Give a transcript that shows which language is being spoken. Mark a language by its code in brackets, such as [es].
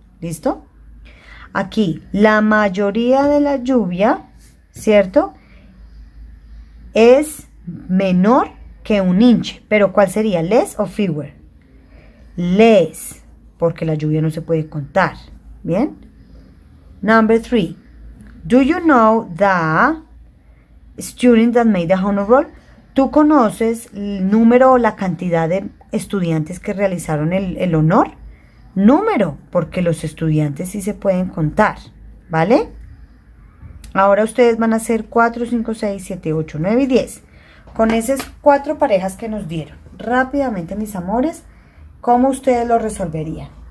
[es] ¿Listo? Aquí, la mayoría de la lluvia, ¿cierto? Es menor que 1 inch. Pero ¿cuál sería? ¿Less o fewer? Less, porque la lluvia no se puede contar. ¿Bien? [en] Number three, do you know the student that made the honor roll? [es] ¿Tú conoces el número o la cantidad de estudiantes que realizaron el honor? Número, porque los estudiantes sí se pueden contar, ¿vale? Ahora ustedes van a hacer 4, 5, 6, 7, 8, 9 y 10. Con esas cuatro parejas que nos dieron, rápidamente, mis amores, ¿cómo ustedes lo resolverían?